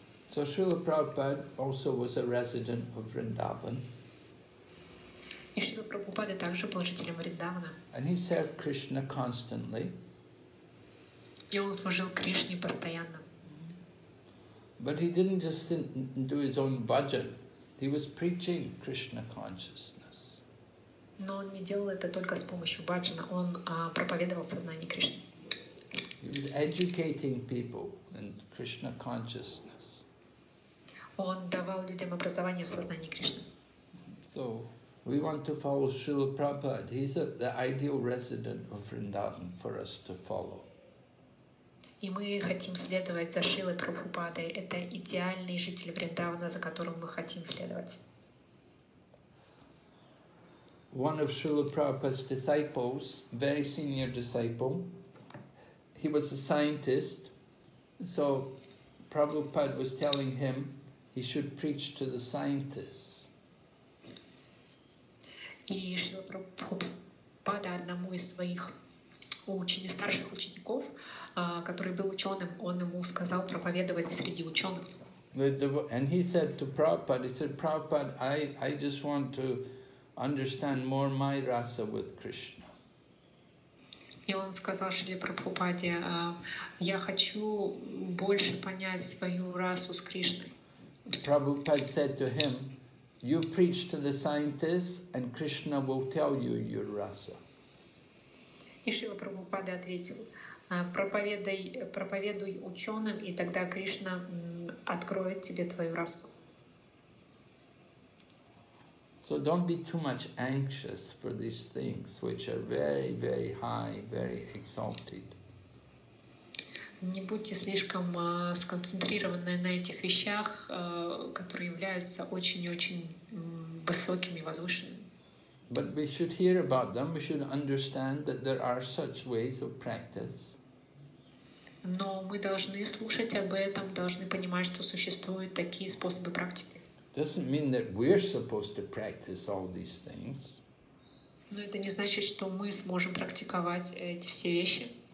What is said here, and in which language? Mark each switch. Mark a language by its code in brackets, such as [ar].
[en] So Srila Prabhupada also was a resident of Vrindavan. [ru] И Шрила Прабхупада также был жителем Вриндавана. [en] And he served Krishna constantly. [ru] И он служил Кришне постоянно. [en] But he didn't just do his own bhajan. He was preaching Krishna consciousness. [ru] Но он не делал это только с помощью баджана, он проповедовал сознание Кришны. [en] He was educating people in Krishna consciousness. [ru] Он давал людям образование в сознании Кришны. [en] So, we want to follow Srila Prabhupada. He's the ideal resident of Vrindavan for us to follow. [ru] И мы хотим следовать за Шрилой Прабхупадой. Это идеальный житель Вриндавана, за которым мы хотим следовать. [en] One of Srila Prabhupada's disciples, very senior disciple, he was a scientist, so Prabhupada was telling him he should preach to the scientists. [ru] И Шрила Прабхупада одному из своих учеников, старших учеников, который был ученым, он ему сказал проповедовать среди ученых. [en] And he said to Prabhupada, he said, Prabhupada, I just want to understand more my rasa with Krishna. [ru] И он сказал Шриле Прабхупаде, я хочу больше понять свою расу с Кришной. [en] Prabhupada said to him, you preach to the scientists and Krishna will tell you your rasa. [ru] И Шрила Прабхупада ответил, проповедуй ученым, и тогда Кришна откроет тебе твою расу. [en] So don't be too much anxious for these things, which are very, very high, very exalted. [ru] Не будьте слишком сконцентрированы на этих вещах, которые являются очень-очень высокими, возвышенными. [en] But we should hear about them, we should understand that there are such ways of practice. [ru] Но мы должны слушать об этом, должны понимать, что существуют такие способы практики. [en] Doesn't mean that we're supposed to practice all these things. [ru] Но это не значит, что мы сможем практиковать эти все вещи.